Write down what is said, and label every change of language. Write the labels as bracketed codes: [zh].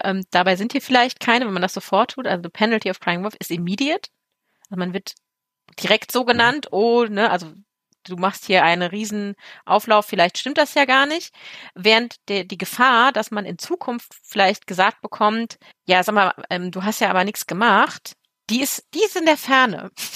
[de] dabei sind hier vielleicht keine, wenn man das sofort tut. [en] Also the penalty of crying wolf is immediate. [de] Also man wird direkt so genannt, also du machst hier einen riesen Auflauf, vielleicht stimmt das ja gar nicht. Während die Gefahr, dass man in Zukunft vielleicht gesagt bekommt, ja, sag mal, du hast ja aber nichts gemacht, die ist in der Ferne.